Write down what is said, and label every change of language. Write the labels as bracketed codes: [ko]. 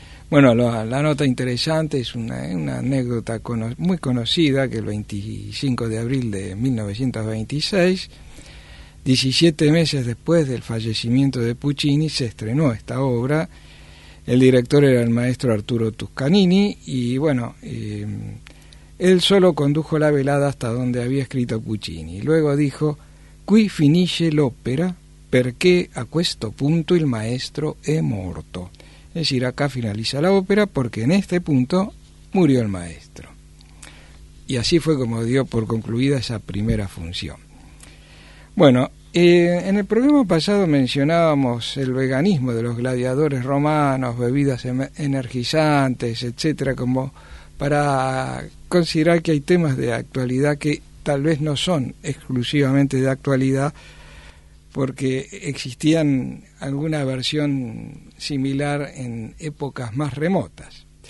[es] Bueno, la nota interesante es una anécdota muy conocida, que el 25 de abril de 1926, 17 meses después del fallecimiento de Puccini, se estrenó esta obra. El director era el maestro Arturo Toscanini y, bueno, él solo condujo la velada hasta donde había escrito Puccini. [it] Luego dijo: «Qui finisce l'opera, perché a questo punto il maestro è morto». [es] Es decir, acá finaliza la ópera porque en este punto murió el maestro. Y así fue como dio por concluida esa primera función. Bueno, en el programa pasado mencionábamos el veganismo de los gladiadores romanos, bebidas energizantes, etcétera, como para considerar que hay temas de actualidad que tal vez no son exclusivamente de actualidad, porque existían alguna versión similar en épocas más remotas.